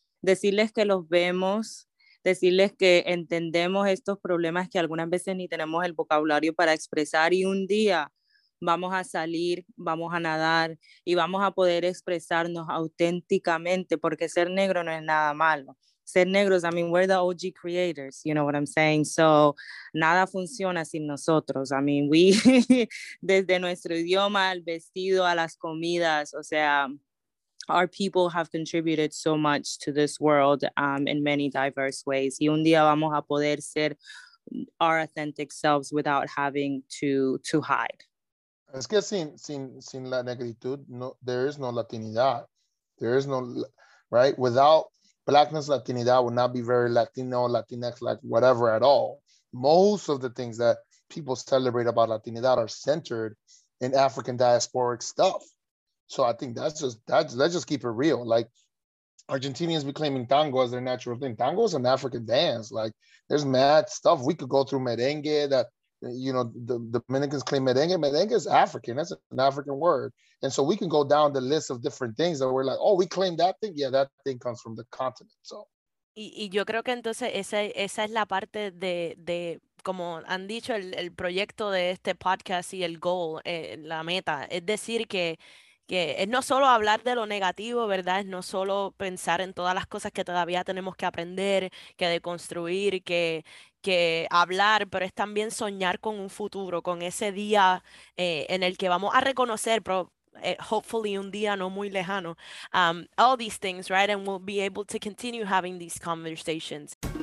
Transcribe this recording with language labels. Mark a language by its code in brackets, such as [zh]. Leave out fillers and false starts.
[es] Decirles que los vemos, decirles que entendemos estos problemas que algunas veces ni tenemos el vocabulario para expresar, y un día vamos a salir, vamos a nadar y vamos a poder expresarnos auténticamente, porque ser negro no es nada malo. Ser negros, [en] I mean, we're the OG creators, you know what I'm saying? So, [es] nada funciona sin nosotros. [en] I mean, we, [es] desde nuestro idioma, al vestido, a las comidas, o sea, [en] our people have contributed so much to this world in many diverse ways. [es] Y un día vamos a poder ser [en] our authentic selves without having to hide. [es] Es que sin la negritud, no, [en] there is no Latinidad. There is no, right? Without blackness, Latinidad would not be very Latino, Latinx, like whatever at all. Most of the things that people celebrate about Latinidad are centered in African diasporic stuff. So I think let's just keep it real. Like, Argentinians be claiming tango as their natural thing. Tango is an African dance. Like, there's mad stuff. We could go through merengue that, you know, the Dominicans claim merengue. Merengue is African. That's an African word. And so we can go down the list of different things that we're like, oh, we claim that thing. Yeah, that thing comes from the continent. So. [es] Y yo creo que entonces esa es la parte de como han dicho, el proyecto de este podcast y el goal, la meta. Es decir que es no solo hablar de lo negativo, ¿verdad? Es no solo pensar en todas las cosas que todavía tenemos que aprender, que deconstruir, que hablar, pero es también soñar con un futuro, con ese día en el que vamos a reconocer, [en] hopefully [es] un día no muy lejano, [en] all these things, right? And we'll be able to continue having these conversations.